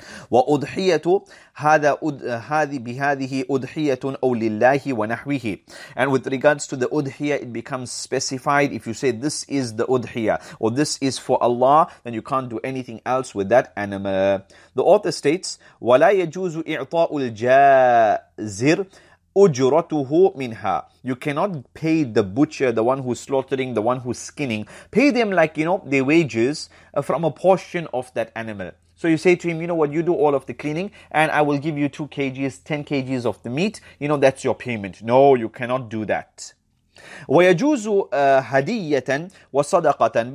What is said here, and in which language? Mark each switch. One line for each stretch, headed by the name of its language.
Arabic: وَأُضْحِيَةُ هَذَا بِهَذِهِ أُضْحِيَةٌ أَوْ لِلَّهِ وَنَحْوِهِ.
English: And with regards to the udhiyah, it becomes specified. If you say this is the udhiyah or this is for Allah, then you can't do anything else with that animal. The author states,
Arabic: وَلَا يَجُوزُ إِعْطَاءُ الْجَازِرُ أُجُرَتُهُ مِنْهَا.
English: You cannot pay the butcher, the one who's slaughtering, the one who's skinning, pay them like, you know, their wages from a portion of that animal. So you say to him, you know what, you do all of the cleaning and I will give you 2 kgs, 10 kgs of the meat. You know, that's your payment. No, you cannot do that.
Arabic: وَيَجُوزُ هَدِيَّةً وَصَدَقَةً.